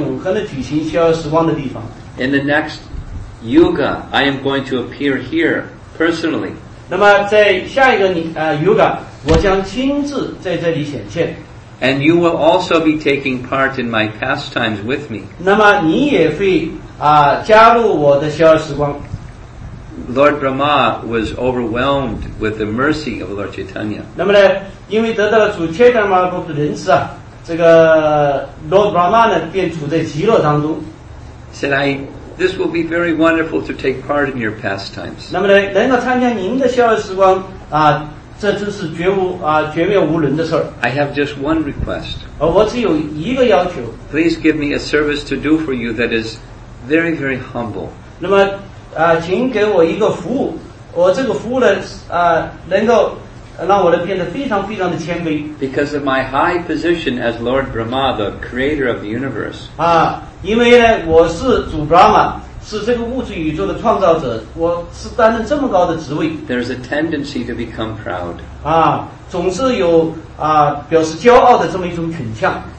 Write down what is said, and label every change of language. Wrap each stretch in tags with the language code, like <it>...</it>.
<zh>啊，这个地方呢是我的居所，是我永恒的举行逍遥时光的地方。</zh> <en>In the next yuga, I am going to appear here personally.</en> <zh>那么在下一个yuga。我将亲自在这里显现。</zh> <en>And you will also be taking part in my pastimes with me.</en> <zh>那么你也会啊加入我的逍遥时光。</zh> <en>Lord Brahma was overwhelmed with the mercy of Lord Chaitanya.</en> <zh>那么呢，因为得到了主切达玛布的仁慈啊，这个 Lord Brahma 呢便处在极乐当中。</zh> <en>Said I, this will be very wonderful to take part in your pastimes.</en> <zh>那么呢，能够参加您的逍遥时光啊。这真是绝妙无伦的事儿。</zh> <en>I have just one request.</en> <zh>我只有一个要求。</zh> <en>Please give me a service to do for you that is very, very humble.</en> <zh>那么，请给我一个服务。我这个服务呢，能够</zh> <en>Because of my high position as Lord Brahma, the creator of the universe.</en> <zh>啊, 因为呢,我是主Brahma, 是这个物质宇宙的创造者, 我是担任这么高的职位,</zh> <en>there's a tendency to become proud.</en> <zh>啊, 总是有, 啊, 表示骄傲的这么一种倾向。</zh>